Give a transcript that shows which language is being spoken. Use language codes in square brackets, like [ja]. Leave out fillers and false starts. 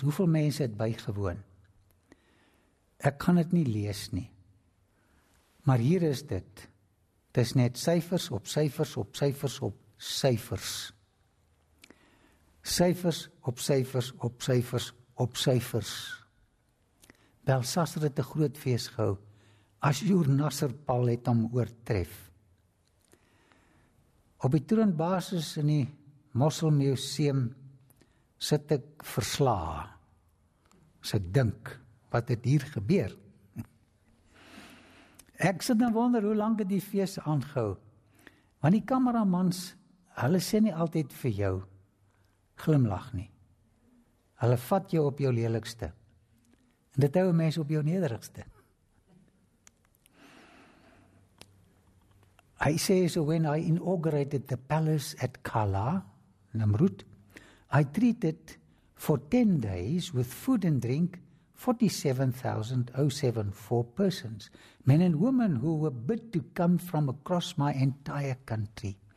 [af] Hoeveel mense het bygewoon? Ek kan dit nie lees nie. Maar hier is dit. Dit is net syfers op syfers op syfers op syfers. Syfers op syfers op syfers op syfers. Belsasar het 'n groot fees gehou. Ashurnasirpal het hom oortref. Op die troonbasis in die Mosul Museum sit ek verslaa, as ek dink, wat het hier gebeur. Ek sit en wonder, hoe lang het die fees aangehou, want die kameramans, hulle sê nie altyd vir jou, glimlag nie, hulle vat jou op jou lelikste, en dit hou mense op jou nederigste. Hy sê, [en] so when I inaugurated the palace at Kala, Nimrud, I treated for 10 days with food and drink 47,074 persons, men and women who were bid to come from across my entire country.